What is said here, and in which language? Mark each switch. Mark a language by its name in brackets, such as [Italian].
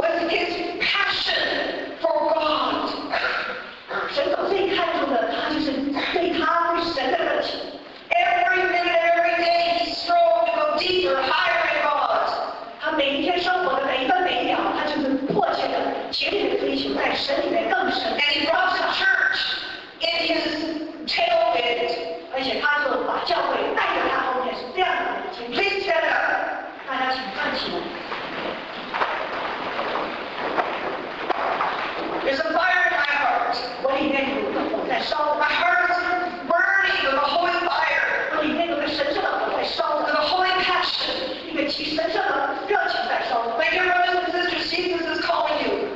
[English] What's his passion for God? [Chinese] 神所最看重的，他就是对他对神的热情。 [English] Every minute, every day, he strove to go deeper, higher in God. [Chinese] 他每一天生活的每一分每一秒，他就是迫切的、竭力的追求在神里面更深。 [English] And he brought the church in his tailwind. [Chinese] 而且他就把教会带着他后面，是这样的。 [English] Please stand up. [Chinese] 大家请站起来。 [English] There's a fire in my heart. [Chinese] 我里面有个火在烧。 [English] My heart is burning with a holy fire. [Chinese] 我里面有个神圣的火在烧。 [English] With a holy passion. [Chinese] 一个极神圣的热情在烧。 [English] My dear brothers and sisters, Jesus is calling you.